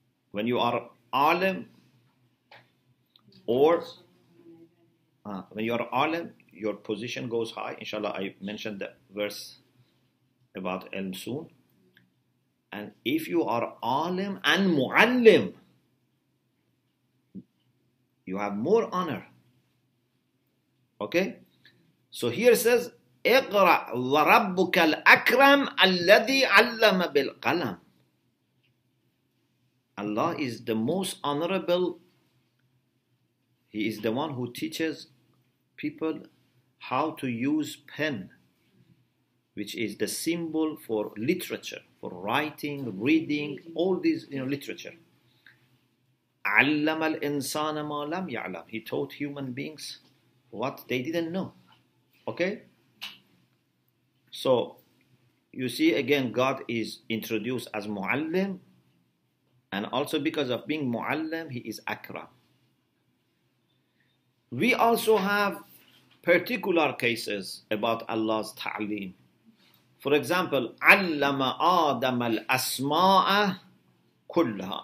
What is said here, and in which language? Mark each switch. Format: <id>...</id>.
<en>When you are alim, or when you are alim, your position goes high. Inshallah, I mentioned the verse about ilm soon. And if you are alim and mu'allim, you have more honor. Okay? So here it says,</en> <ar>اقرأ وربك الأكرم الذي علم بالقلم.</ar> <en>Allah is the most honorable. He is the one who teaches people how to use pen, which is the symbol for literature, for writing, reading, all these, literature.</en> <ar>علم الإنسان ما لم يعلم.</ar> <en>He taught human beings what they didn't know. Okay? So, you see again, God is introduced as معلم. And also because of being معلم, he is أكرم. We also have particular cases about Allah's ta'aleem. For example,</en> <ar>علم آدم الأسماء كلها.</ar>